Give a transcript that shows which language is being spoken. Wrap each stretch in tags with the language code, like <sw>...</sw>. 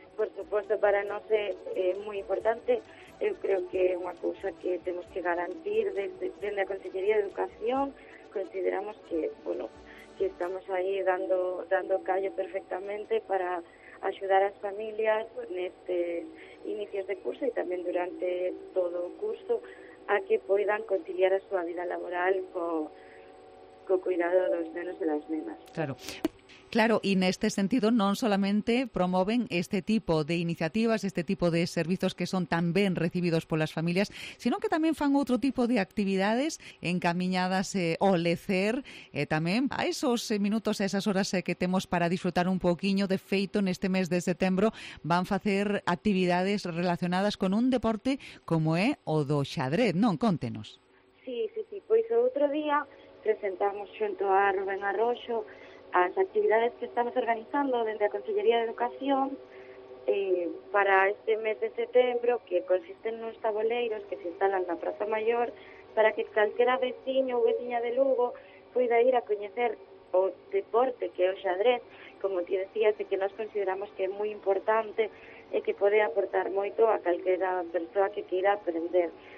<gl>Por suposto, para nós é moi importante. Eu creo que é unha cousa que temos que garantir desde a Consellería de Educación. Consideramos que, bueno, que estamos aí dando callo perfectamente para axudar as familias neste inicios de curso e tamén durante todo o curso a que poidan conciliar a súa vida laboral co cuidado dos nenos e das nenas. Claro.</gl> <es>Claro, y en este sentido no solamente promueven este tipo de iniciativas, este tipo de servicios que son tan bien recibidos por las familias, sino que también fan otro tipo de actividades encaminadas o lecer también a esos minutos, a esas horas que tenemos para disfrutar un poquillo. De feito, en este mes de septiembre van a hacer actividades relacionadas con un deporte como es</es> <gl>o do xadrez,</gl> <es>¿no?</es> <gl>Contenos.</gl> <es>Sí, sí, sí. Pues otro día presentamos junto a Rubén Arroyo</es> <gl>as actividades que estamos organizando dende a Consellería de Educación para este mes de setembro, que consisten nos taboleiros que se instalan na Praza Mayor para que calquera veciño ou veciña de Lugo poida ir a coñecer o deporte que é o xadrez, como ti decías, e que nos consideramos que é moi importante e que pode aportar moito a calquera persoa que queira aprender.</gl>